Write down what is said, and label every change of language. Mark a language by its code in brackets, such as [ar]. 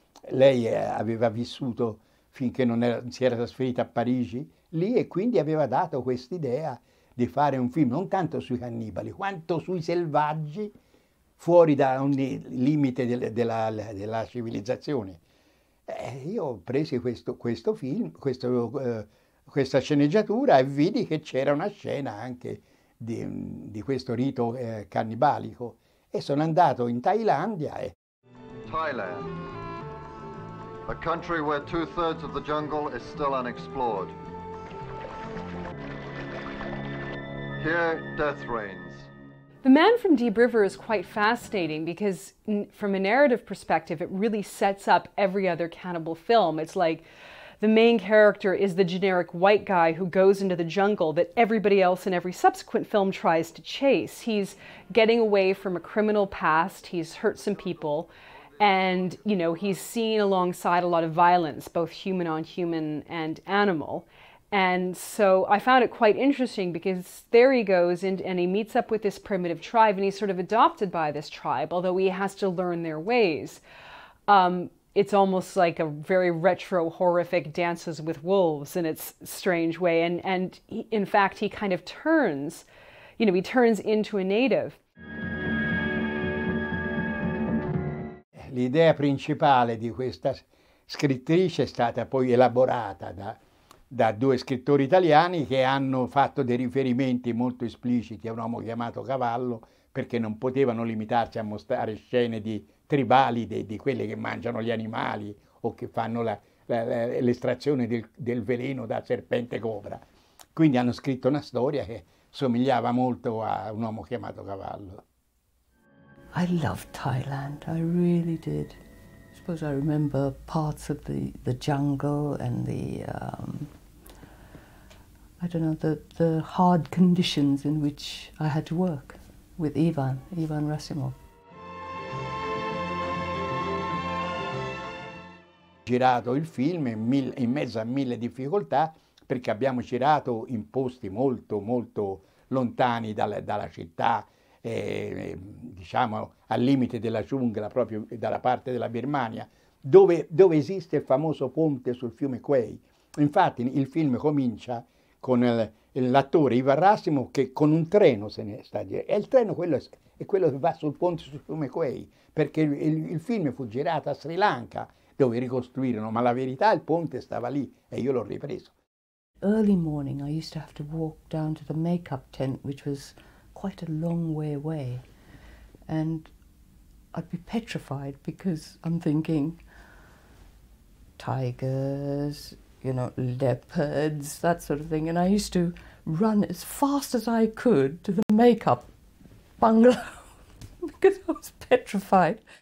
[it] Lei aveva vissuto finché non si era trasferita a Parigi lì e quindi aveva dato quest'idea di fare un film non tanto sui cannibali quanto sui selvaggi fuori da ogni limite della civilizzazione. Io ho preso questo film, questa sceneggiatura, e vidi che c'era una scena anche di questo rito cannibalico e sono andato in Thailandia e... [en] Thailand, a country where two-thirds of the jungle is still unexplored. Here, death reigns. The Man from Deep River is quite fascinating because from a narrative perspective it really sets up every other cannibal film. It's like the main character is the generic white guy who goes into the jungle that everybody else in every subsequent film tries to chase. He's getting away from a criminal past, he's hurt some people, and, you know, he's seen alongside a lot of violence, both human on human and animal. And so I found it quite interesting because there he goes and he meets up with this primitive tribe and he's sort of adopted by this tribe, although he has to learn their ways. It's almost like a very retro horrific Dances with Wolves in its strange way. And he, in fact, he kind of turns, you know, he turns into a native. [it] L'idea principale di questa scrittrice è stata poi elaborata da due scrittori italiani che hanno fatto dei riferimenti molto espliciti a un uomo chiamato Cavallo, perché non potevano limitarsi a mostrare scene di tribali, di quelli che mangiano gli animali o che fanno la, l'estrazione del veleno da serpente cobra. Quindi hanno scritto una storia che somigliava molto a Un uomo chiamato Cavallo. [en] I loved Thailand, I really did. I suppose I remember parts of the jungle and the I don't know, the hard conditions in which I had to work with Ivan Rasimov. [it] Girato il film in mezzo a mille difficoltà, perché abbiamo girato in posti molto molto lontani dalla città, diciamo al limite della giungla, proprio dalla parte della Birmania, dove esiste il famoso ponte sul fiume Kwai. Infatti il film comincia con l'attore Ivan Rasimov che con un treno se ne sta girando. E il treno è quello che va sul ponte sul fiume Kwai, perché il film fu girato a Sri Lanka, dove ricostruirono, ma la verità il ponte stava lì e io l'ho ripreso. [en] Early morning I used to have to walk down to the makeup tent, which was quite a long way away, and I'd be petrified because I'm thinking tigers, you know, leopards, that sort of thing, and I used to run as fast as I could to the makeup bungalow because I was petrified.